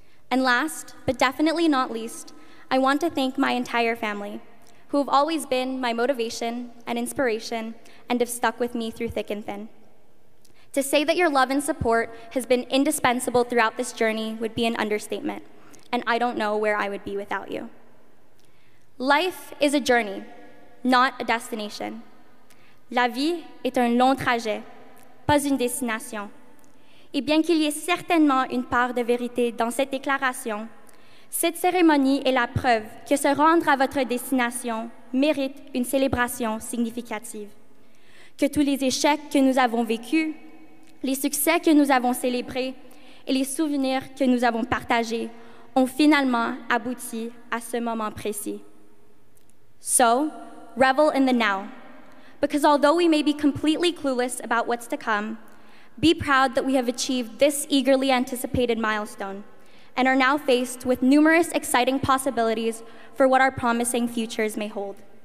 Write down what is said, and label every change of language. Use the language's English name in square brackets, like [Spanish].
[English] And last, but definitely not least, I want to thank my entire family, who have always been my motivation and inspiration and have stuck with me through thick and thin. To say that your love and support has been indispensable throughout this journey would be an understatement, and I don't know where I would be without you. Life is a journey, not a destination. [French] La vie est un long trajet, pas une destination. Et bien qu'il y ait certainement une part de vérité dans cette déclaration, cette cérémonie est la preuve que se rendre à votre destination mérite une célébration significative. Que tous les échecs que nous avons vécus, Les succès que nous avons célébrés et les souvenirs que nous avons partagés ont finalement abouti à ce moment précis. [English] So, revel in the now, because although we may be completely clueless about what's to come, be proud that we have achieved this eagerly anticipated milestone and are now faced with numerous exciting possibilities for what our promising futures may hold.